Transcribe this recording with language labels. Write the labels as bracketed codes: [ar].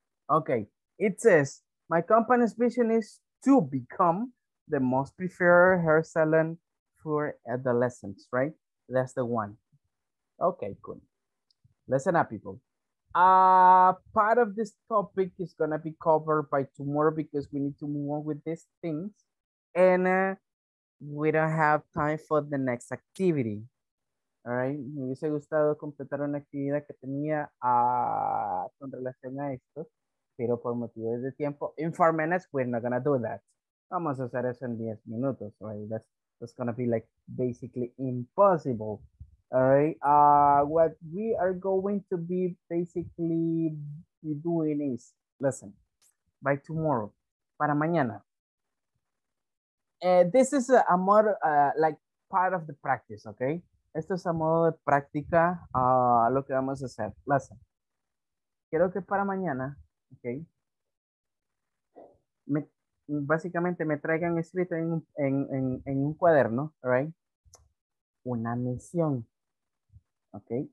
[en] Okay. It says, my company's vision is to become the most preferred hair salon for adolescents, right? That's the one. Okay, cool. Listen up, people. Part of this topic is going to be covered by tomorrow because we need to move on with these things. And we don't have time for the next activity. All right. [es] Me hubiese gustado completar una actividad que tenía con relación a esto. Pero por motivos de tiempo, [en] in 4 minutes, we're not going to do that. [es] Vamos a hacer eso en 10 minutos, [en] right? That's going to be like basically impossible. All right. What we are going to be basically doing is, listen, by tomorrow, [es] para mañana. [en] This is a more like part of the practice, okay? [es] Esto es a modo de práctica lo que vamos a hacer. Listen, quiero que para mañana, okay, básicamente me traigan escrito en un cuaderno, right, una misión, okay.